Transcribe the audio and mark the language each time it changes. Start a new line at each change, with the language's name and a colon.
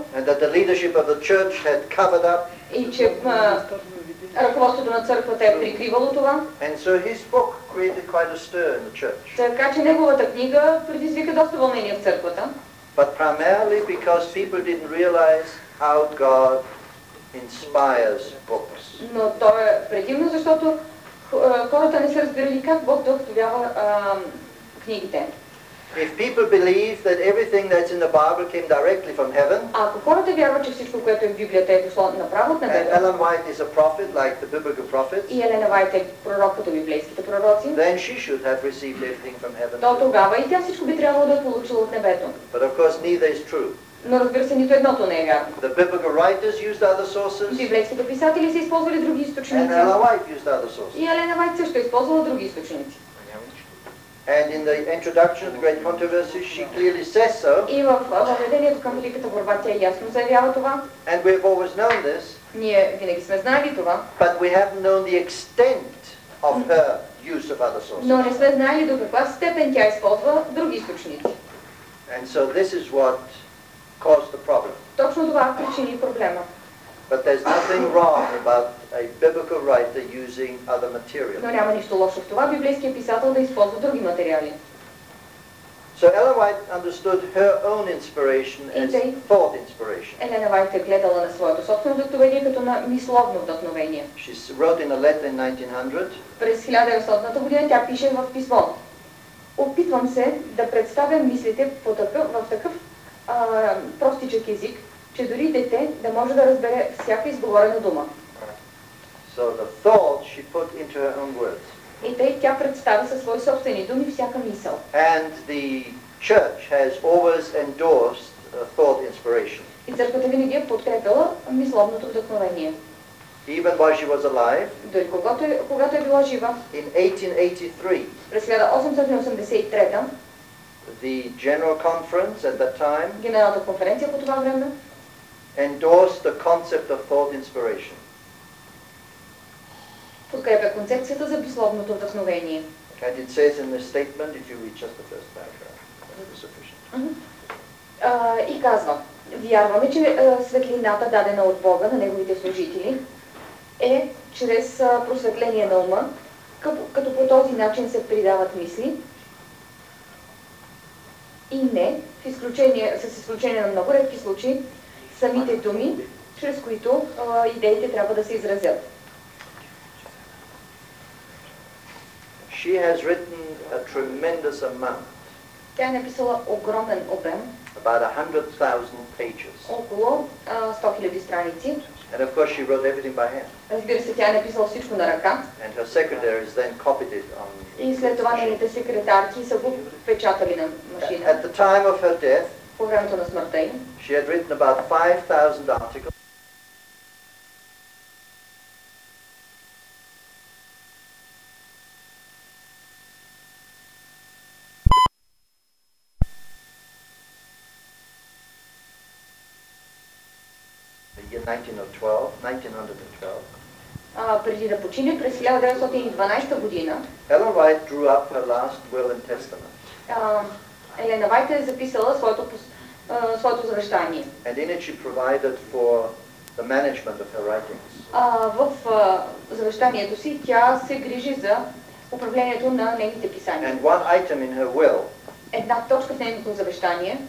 English: And that the leadership of the church had covered up.
Bulgarian: И че ръководството на църквата е прикривало това.
English: And so his book created quite a stir in the church.
Bulgarian: Така че неговата книга предизвика доста вълнение в църквата.
English: But primarily because people didn't realize how God inspires books.
Bulgarian: Но то е предимно защото хората не са разбирали как Бог вдъхновява книгите.
English: If people believe that everything that's in the Bible came directly from heaven,
Bulgarian: ако хората вярват, че всичко, което е в Библията, е дошло направо от небето,
English: and Ellen White is a prophet, like the biblical prophets,
Bulgarian: и Елена Уайт е пророк като библейските пророци,
English: then she should have received everything from heaven.
Bulgarian: То тогава и тя всичко би трябвало да е получила от небето.
English: But of course neither is true.
Bulgarian: Но разбира се, нито едното не е вярно.
English: The biblical writers used other sources.
Bulgarian: Библейските писатели са използвали други източници.
English: And Ellen White used other sources.
Bulgarian: И Елена Уайт също е използвала други източници.
English: And in the introduction of the Great Controversy, she clearly says so.
Bulgarian: И в въведението към Великата борба тя ясно заявява това.
English: And we've always known this.
Bulgarian: Ние винаги сме знали това.
English: But we haven't known the extent of her use of other sources.
Bulgarian: Но не сме знали до каква степен тя използва други източници.
English: And so this is what caused the problem.
Bulgarian: Точно това причини проблема.
English: But there's nothing wrong about a biblical writer using other material.
Bulgarian: Но няма нищо лошо в това библейският писател да използва други материали.
English: So Ellen White understood her own inspiration as thought inspiration.
Bulgarian: Елена Уайт е гледала на своето собствено вдъхновение като на мисловно вдъхновение.
English: She wrote in a letter in 1900.
Bulgarian: През 1900-та година тя пише в писмо. Опитвам се да представя мислите по такъв, в такъв простичък език, че дори дете да може да разбере всяка изговорена дума.
English: So the thought she put into her own words.
Bulgarian: И тъй тя представи със свои собствени думи всяка мисъл.
English: And the church has always endorsed thought inspiration.
Bulgarian: И църквата винаги е подкрепила мисловното вдъхновение.
English: Even while she was alive.
Bulgarian: Дори когато е била жива.
English: In 1883.
Bulgarian: През 1883.
English: The General Conference at that time.
Bulgarian: Генералната конференция по това време.
English: Endorsed the concept of thought inspiration.
Bulgarian: Подкрепя концепцията за мисловното вдъхновение.
English: And it says in the statement, if you read just the first paragraph, that is sufficient.
Bulgarian: И казва, вярваме, че светлината дадена от Бога на неговите служители е чрез просветление на ума, като по този начин се придават мисли и не, с изключение на много редки случаи, самите думи, чрез които идеите трябва да се изразят.
English: She has written a tremendous amount.
Bulgarian: Тя е написала огромен обем.
English: About 100,000 pages.
Bulgarian: Около 100 000 страници.
English: And of course she wrote everything by hand.
Bulgarian: Разбира се, тя е написала всичко на ръка.
English: And her secretaries then copied it on.
Bulgarian: И след това нейните секретарки са го печатали на машина.
English: At the time of her death,
Bulgarian: по времето на смъртта им,
English: she had written about 5,000 articles. The year 1912.
Bulgarian: Преди да почине през 1912 година.
English: Ellen White drew up her last will and testament.
Bulgarian: Елена Уайт е записала своето завещание.
English: And in it she provided for the management of her writings.
Bulgarian: В завещанието си тя се грижи за управлението на нейните писания.
English: And one item in her will.
Bulgarian: Една точка в нейното завещание.